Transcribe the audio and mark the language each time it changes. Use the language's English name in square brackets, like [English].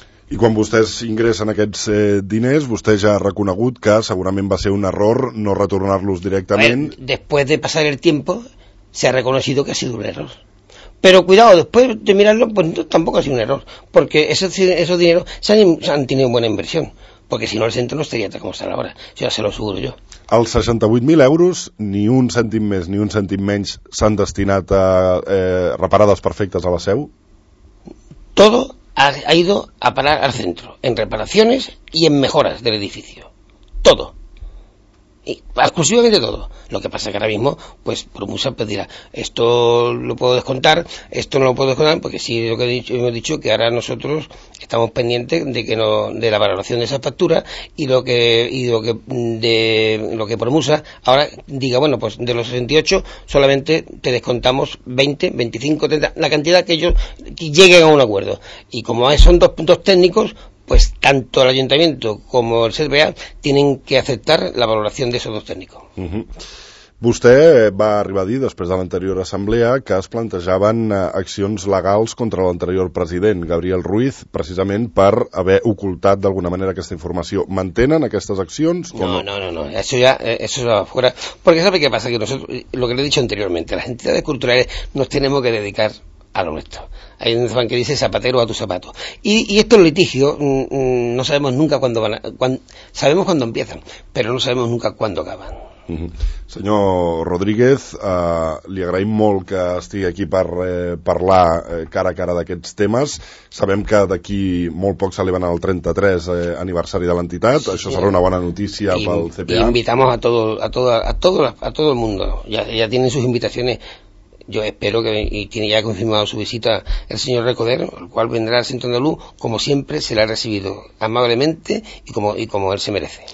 [Catalan] I quan vostès ingressen aquests diners, vostè ja ha reconegut que segurament va ser un error no retornar-los directament. [Spanish] Bé, después de pasar el tiempo, se ha reconocido que ha sido un error. Pero cuidado, después de mirarlo, pues no, tampoco ha sido un error, porque esos dineros se han tenido buena inversión, porque si no el centro no estaría tal como está ahora, eso ya se lo aseguro yo. [Catalan] Els 68.000 euros, ni un cèntim més ni un cèntim menys, s'han destinat a reparades perfectes a la seu? [Spanish] Todo ha ido a parar al centro, en reparaciones y en mejoras del edificio. Todo. Y exclusivamente todo. Lo que pasa que ahora mismo, pues Promusa pues dirá, esto lo puedo descontar, esto no lo puedo descontar, porque sí, lo que hemos dicho que ahora nosotros estamos pendientes de que no, de la valoración de esa factura, y lo que Promusa ahora diga, bueno, pues de los 68 solamente te descontamos 20, 25, 30, la cantidad que ellos lleguen a un acuerdo. Y como son dos técnicos, pues tanto el Ayuntamiento como el CBA tienen que aceptar la valoración de esos dos técnicos. Uh-huh. [Catalan] Vostè va arribar a dir, després de l'anterior assemblea, que es plantejaven accions legals contra l'anterior president, Gabriel Ruiz, precisament per haver ocultat d'alguna manera aquesta informació. Mantenen aquestes accions? [Spanish] No. Eso ya va fuera. Porque sabe qué pasa, que nosotros, lo que le he dicho anteriormente, las entidades culturales nos tenemos que dedicar a lo nuestro. Hay un fan que dice zapatero a tu zapato. Y estos litigios no sabemos nunca cuándo van a... sabemos cuándo empiezan, pero no sabemos nunca cuándo acaban. Mm-hmm. [Catalan] Senyor Rodríguez, li agraïm molt que estigui aquí per parlar cara a cara d'aquests temes. Sabem que d'aquí molt poc celebren el 33 aniversari de l'entitat. Sí, això serà una bona notícia pel CPA. [Spanish] Y invitamos a todo el mundo. Ya tienen sus invitaciones. Yo espero que, y tiene ya confirmado su visita el señor Recoder, el cual vendrá al Centro Andaluz, como siempre se la ha recibido amablemente y como él se merece.